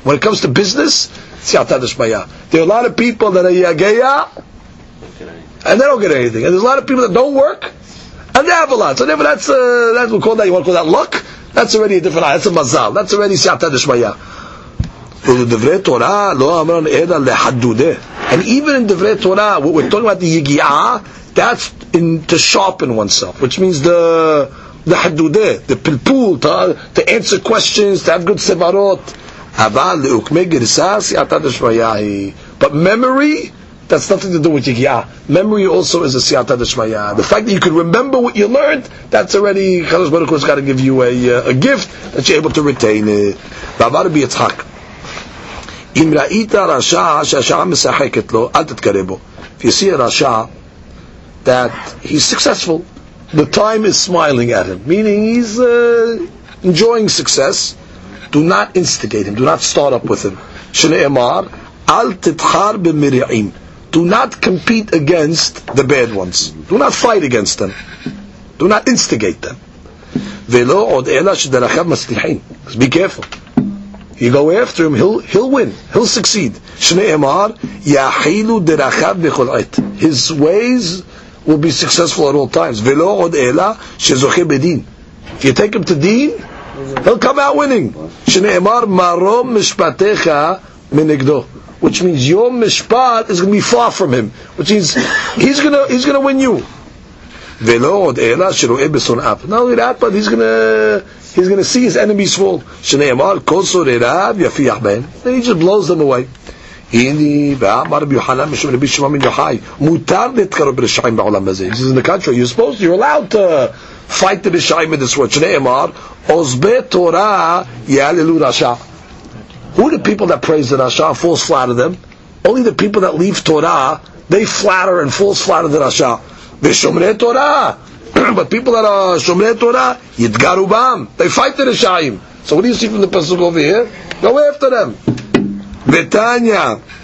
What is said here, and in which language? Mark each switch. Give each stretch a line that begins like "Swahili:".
English: When it comes to business, si'ata d'shimaya. There are a lot of people that are yageya, and they don't get anything. And there's a lot of people that don't work, and they have a lot. So therefore, that's what we call that. You want to call that luck? That's already a different. That's a mazal. That's already si'ata d'shimaya.
Hebrew: דברי תורה לא אמרן אלא להדודה.
English: And even in דברי תורה, what we're talking about, the יגיעה, that's in to sharpen oneself, which means the הדודה, the פלפול, to answer questions, to have good סברות.
Hebrew: אבל לעוקמי גרסה, סייעתא דשמיא היא.
English: But memory, that's nothing to do with יגיעה. Memory also is a סייעתא דשמיא. The fact that you can remember what you learned, that's already, הקדוש ברוך הוא has got to give you a gift that you're able to retain it.
Hebrew: ועבר רבי יצחק. אם ראית רשע שהשעה משחקת לו, אל תתקרב בו.
English: If you see a רשע, that he's successful. The time is smiling at him. Meaning he's enjoying success. Do not instigate him. Do not start up with him.
Hebrew: Shne'emar, אל תתחר במריעים.
English: Do not compete against the bad ones. Do not fight against them. Do not instigate them.
Hebrew: ולא עוד אלא שדרכיו מצליחים.
English: Be careful. You go after him, he'll win. He'll succeed.
Hebrew: Shne'emar, יחילו דרכיו בכל עת.
English: His ways will be successful at all times.
Hebrew: ולא עוד אלא שזוכה בדין.
English: If you take him to deen, he'll come out winning. Shne'emar,
Hebrew: marom mishpatecha menegdo.
English: Which means your mishpat is going to be far from him. Which means he's going to win you.
Hebrew: ולא עוד אלא שרואה בשונאיו.
English: Not only that, but he's going to see his enemies fall.
Hebrew: שנאמר כל שונאיו יפיח בהם.
English: And he just blows them away.
Hebrew: הנה ואמר רבי יוחנן משום רבי שמעון בן יוחאי, מותר להתקרב לרשעים בעולם הזה.
English: This is in the country. You're allowed to fight the רשעים in this world.
Hebrew: שנאמר עוזבי תורה יעללו רשע.
English: Who are the people that praise the Rasha and falls flat of them? Only the people that leave Torah, they flatter and falls flat of the Rasha.
Hebrew: V'shomrei Torah.
English: But people that are shomrei Torah, yidgarubam. They fight the Rasha'im. So what do you see from the Pasuk over here? Go after them. V'tanya.